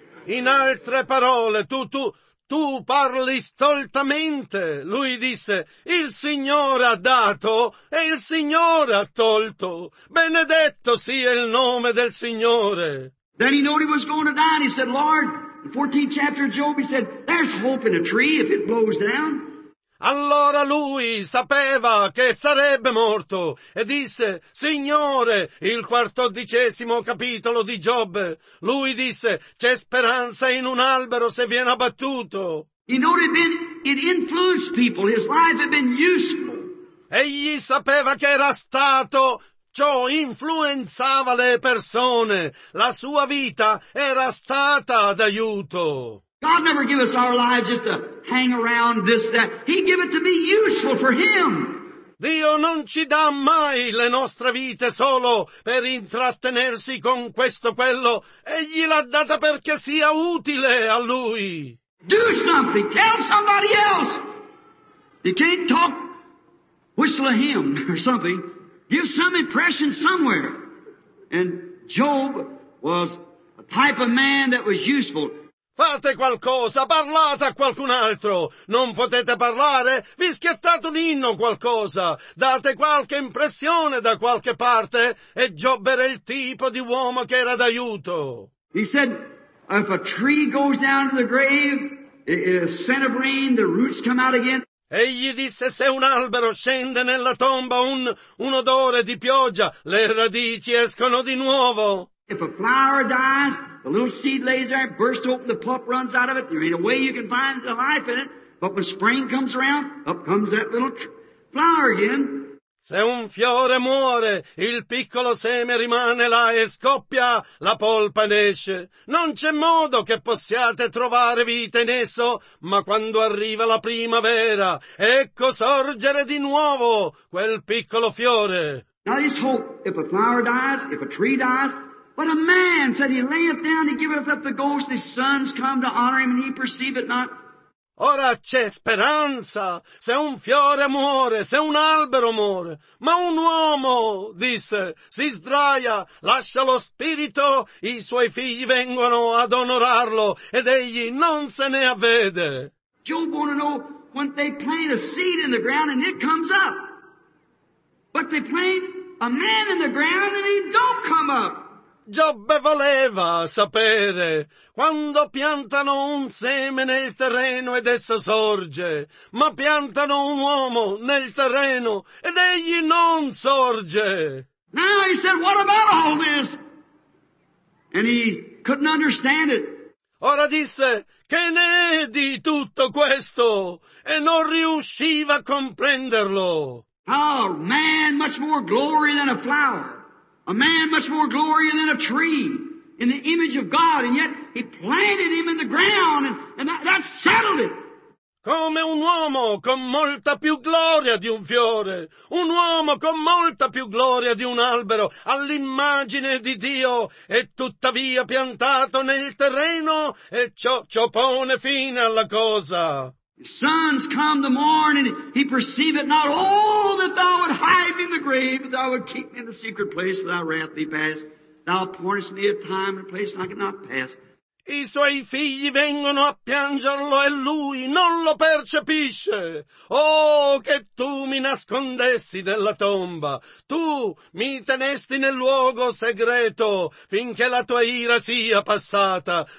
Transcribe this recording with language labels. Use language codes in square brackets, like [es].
[it] In altre parole, tu parli stoltamente. Lui disse, il Signore ha dato e il Signore ha tolto. Benedetto sia il nome del Signore. [en] Then he knew he was going to die and he said, Lord, the 14th chapter of Job, he said, there's hope in a tree if it blows down. [it] Allora lui sapeva che sarebbe morto e disse, Signore, il 14° capitolo di Giobbe. Lui disse, c'è speranza in un albero se viene abbattuto. [en] It influenced people. His life had been useful. [it] Egli sapeva che era stato, ciò influenzava le persone. La sua vita era stata d'aiuto. [en] God never give us our lives just to hang around this, that. He give it to be useful for Him. [it] Dio non ci dà mai le nostre vite solo per intrattenersi con questo, quello. Egli l'ha data perché sia utile a Lui. [en] Do something. Tell somebody else. You can't talk, whistle a hymn or something. Give some impression somewhere. And Job was a type of man that was useful. [it] Fate qualcosa, parlate a qualcun altro. Non potete parlare? Vi schiattate un inno qualcosa. Date qualche impressione da qualche parte. E Giobbe era il tipo di uomo che era d'aiuto. [en] He said, if a tree goes down to the grave, a scent of rain, the roots come out again. [it] Egli disse, se un albero scende nella tomba, un odore di pioggia, le radici escono di nuovo. [en] If a flower dies, a little seed lays there, burst open, the pulp runs out of it. There ain't a way you can find the life in it. But when spring comes around, up comes that little flower again. [it] Se un fiore muore, il piccolo seme rimane là e scoppia, la polpa ne esce. Non c'è modo che possiate trovare vita in esso, ma quando arriva la primavera, ecco sorgere di nuovo quel piccolo fiore. [en] Now this hope, if a flower dies, if a tree dies, but a man said he layeth down, he giveth up the ghost, his sons come to honor him, and he perceive it not. [it] Ora c'è speranza, se un fiore muore, se un albero muore, ma un uomo, disse, si sdraia, lascia lo spirito, i suoi figli vengono ad onorarlo, ed egli non se ne avvede. [en] Job wanted to know when they plant a seed in the ground and it comes up. But they plant a man in the ground and he don't come up. [it] Giobbe voleva sapere quando piantano un seme nel terreno ed esso sorge, ma piantano un uomo nel terreno ed egli non sorge. [en] Now he said, what about all this? And he couldn't understand it. [it] Ora disse, che ne è di tutto questo? E non riusciva a comprenderlo. [en] Oh, man, much more glory than a flower. A man much more glory than a tree in the image of God, and yet he planted him in the ground, and that settled it. [it] Come un uomo con molta più gloria di un fiore, un uomo con molta più gloria di un albero, all'immagine di Dio, e tuttavia piantato nel terreno, e ciò pone fine alla cosa. [en] His sons come the morning, he perceive it not. Oh, that thou would hide me in the grave, that thou would keep me in the secret place, that thou wrath be past. Thou appointest me a time and a place, and I cannot pass. [it] I suoi figli vengono a piangerlo e lui non lo percepisce. Oh, che tu mi nascondessi nella tomba! Tu mi tenesti nel luogo segreto finché la tua ira sia passata.